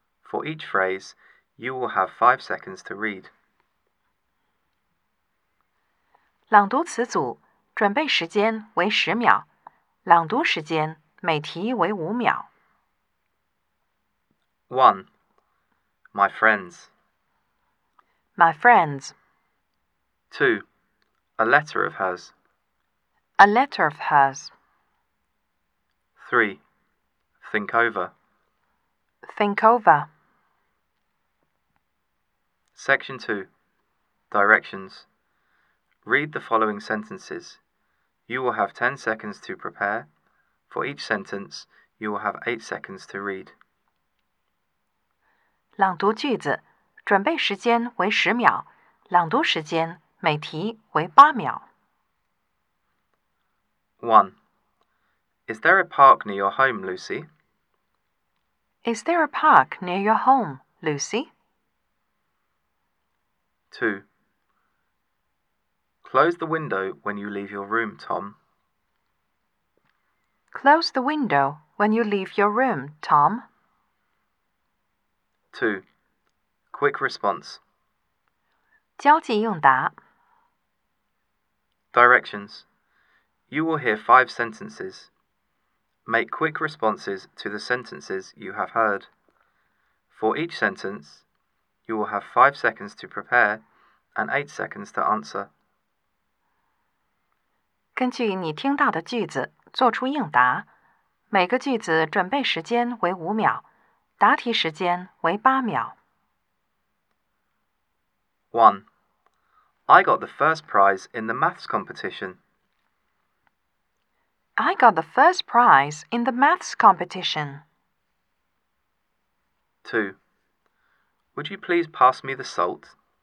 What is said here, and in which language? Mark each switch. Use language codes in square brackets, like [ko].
[en] For each phrase, you will have 5 seconds to read. [zh] 朗读词组，准备时间为10秒，朗读时间每题为5秒。 [en] 1. My friends. My friends. 2. A letter of hers. A letter of hers. 3. Think over. Think over. Section 2. Directions. Read the following sentences. You will have 10 seconds to prepare. For each sentence, you will have 8 seconds to read. [zh] 朗读句子，准备时间为10秒，朗读时间每题为8秒。 [en] 1. Is there a park near your home, Lucy? Is there a park near your home, Lucy? 2. Close the window when you leave your room, Tom. Close the window when you leave your room, Tom. 2. Quick response. [zh] 交际应答 [en] Directions. You will hear 5 sentences. Make quick responses to the sentences you have heard. For each sentence, you will have 5 seconds to prepare. And 8 seconds to answer. [zh] 根据你听到的句子做出应答，每个句子准备时间为5秒，答题时间为8秒。 [en] 1. I got the first prize in the maths competition. I got the first prize in the maths competition. 2. Would you please pass me the salt?